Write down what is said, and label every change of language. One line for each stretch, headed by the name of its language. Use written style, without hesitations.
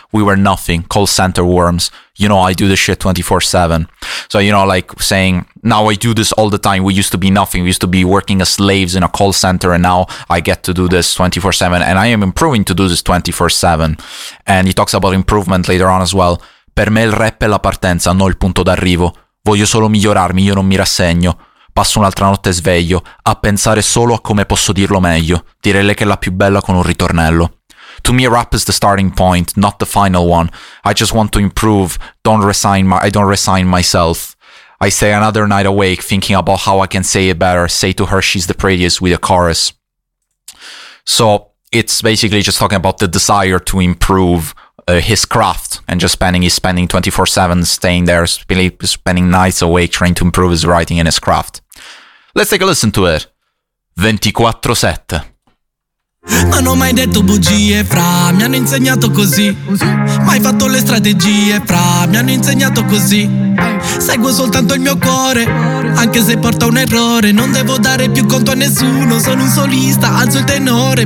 English: We were nothing, call center worms. You know, I do this shit 24/7. So, you know, like saying, now I do this all the time. We used to be nothing. We used to be working as slaves in a call center. And now I get to do this 24/7. And I am improving to do this 24/7. And he talks about improvement later on as well.
Italian: Per me il rap è la partenza, non il punto d'arrivo. Voglio solo migliorarmi, io non mi rassegno. Passo un'altra notte sveglio, a pensare solo a come posso dirlo meglio, direi che è la più bella con un ritornello.
English: To me, rap is the starting point, not the final one. I just want to improve, I don't resign myself. I stay another night awake, thinking about how I can say it better, say to her she's the prettiest with a chorus. So, it's basically just talking about the desire to improve his craft, and just spending, he's spending 24/7 staying there, spending nights awake trying to improve his writing and his craft. Let's take a listen to it. 24/7.
Italian: Non ho mai detto bugie, fra, mi hanno insegnato così. Mai fatto le strategie, fra, mi hanno insegnato così. Seguo soltanto il mio cuore, anche se porta un errore. Non devo dare più conto a nessuno, sono un solista, alzo il tenore.